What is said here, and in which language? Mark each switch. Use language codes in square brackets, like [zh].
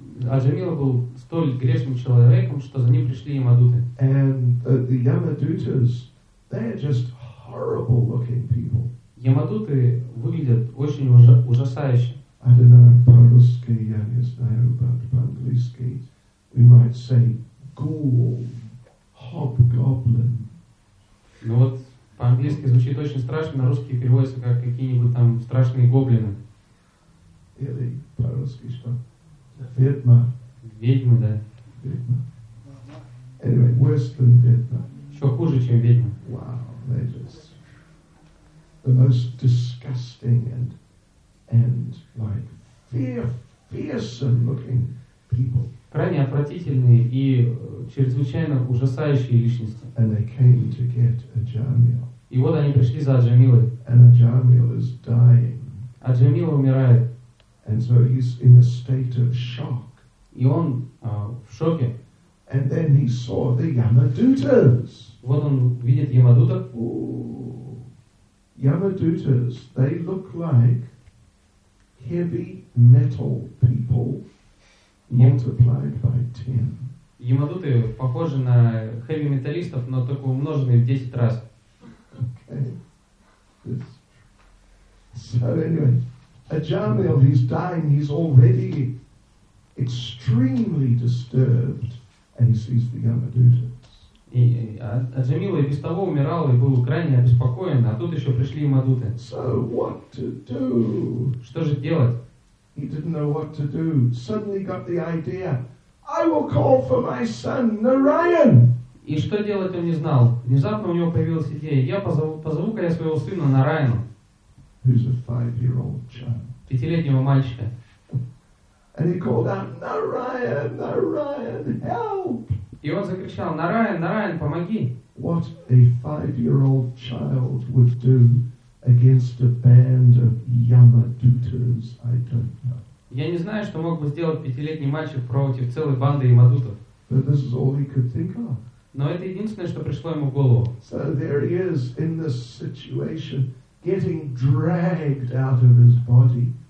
[ru] Ajamil был столь грешным человеком, что за ним пришли Ямадуты. [en] And the Yamadutas, they are just horrible looking people. [ru] Ямадуты выглядят очень ужасающе. [en] I don't know, [ru] по-русски я не знаю, [en] but [ru] по-английски [en] we might say ghoul, hobgoblin. [ru] Ну вот, по-английски звучит очень страшно, на русский переводится как какие-нибудь там страшные гоблины. Или по-русски что? Ведьма. Ведьма, да. [en] Ведьма. Anyway, worse than ведьма. [ru] Еще хуже, чем ведьма. [en] Wow, they just the most disgusting and like fearsome looking people. [ru] Крайне отвратительные и чрезвычайно ужасающие личности. [en] And they came to get Ajamil. [ru] И вот они пришли за Аджамилой. [en] And Ajamil is dying. [ru] Аджамил умирает. [en] And so he's in a state of shock. [ru] И он в шоке. [en] And then he saw the Yamadutas. [ru] Вот он видит Ямадутов. Ooh. [en] Yamadutas, they look like heavy metal people multiplied by 10. [ru] Ямадуты похожи на heavy металлистов, но только умноженные в 10 раз. [en] Okay. So anyway, Ajamil, he's dying, he's already extremely disturbed, and he sees the Yamadutas. [ru] И Джамила и без того умирал и был крайне обеспокоен, а тут еще пришли Ямадуты. [en] So what to do? [ru] Что же делать? [en] He didn't know what to do. Suddenly got the idea. I will call for my son Narayan. [ru] И что делать, он не знал. Внезапно у него появилась идея. Я позову-ка я своего сына Нараяну. [en] Who's a five-year-old child? [ru] Пятилетнего мальчика. [en] And he called out, Narayan, Narayan, help! [ru] И он закричал, Narayan, Narayan, помоги! [en] What a five-year-old child would do against a band of Yamadutas, I don't know. [ru] Я не знаю, что мог бы сделать пятилетний мальчик против целой банды Ямадутов. [en] But this is all he could think of. [ru] Но это единственное, что пришло ему в голову. [en] So there he is in this situation, getting dragged out of his body.